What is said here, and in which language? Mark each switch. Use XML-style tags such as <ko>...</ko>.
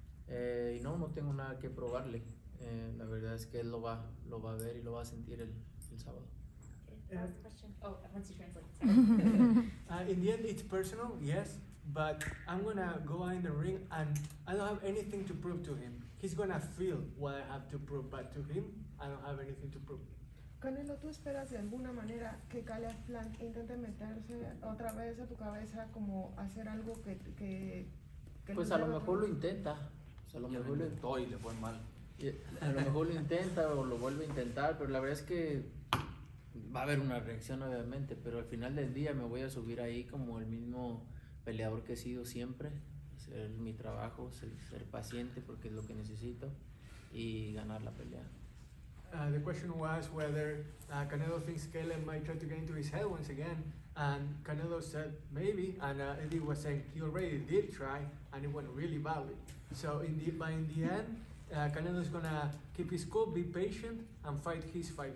<es>Y no tengo nada que probarle. La verdad es que él lo va a ver y lo va a sentir el sábado.</es> <en>Okay. Last question. Oh, I want to translate. In the end, it's personal, yes, but I'm gonna go in the ring and I don't have anything to prove to him. He's gonna feel what I have to prove, but to him, I don't have anything to prove.</en> <es>Canelo, ¿tú esperas de alguna manera que Caleb Plant intente meterse otra vez a tu cabeza como hacer algo que pues a lo mejor lo intenta. O sea, a lo mejor lo intentó y le fue mal. A lo mejor lo intenta o lo vuelve a intentar, pero la verdad es que va a haber una reacción, obviamente, pero al final del día me voy a subir ahí como el mismo peleador que he sido siempre. Hacer mi trabajo, ser paciente porque es lo que necesito y ganar la pelea.</es> <en>The question was whether Canelo thinks Caleb might try to get into his head once again, and Canelo said maybe, and Eddie was saying he already did try and it went really badly. So in the end, Canelo is gonna keep his cool, be patient, and fight his fight.</en>